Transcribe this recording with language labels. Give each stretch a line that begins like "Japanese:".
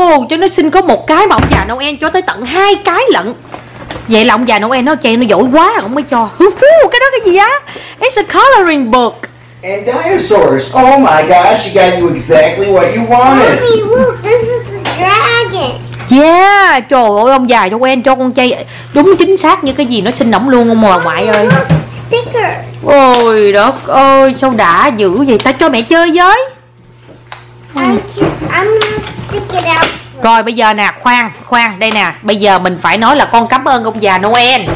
Vietnamese: Cho nó xin có một cái mà ông già Noel cho tới tận hai cái lận. Vậy là ông già Noel nó chen nó giỏi quá, ông mới cho. Cái đó cái gì á?
English: It's a coloring book. And dinosaurs. Oh my gosh, you got you exactly what you wanted. Mommy, look, this is the dragon.
Vietnamese: Yeah, trời ơi, ông già Noel cho con chay đúng chính xác như cái gì nó xin ổng luôn ông bà ngoại ơi.
English: Sticker.
Vietnamese: Ôi đất ơi, sao đã dữ vậy? Ta cho mẹ chơi với.
English: I'm gonna stick it out.
Vietnamese: Rồi bây giờ nè, khoan, đây nè. Bây giờ mình phải nói là con cảm ơn ông già Noel.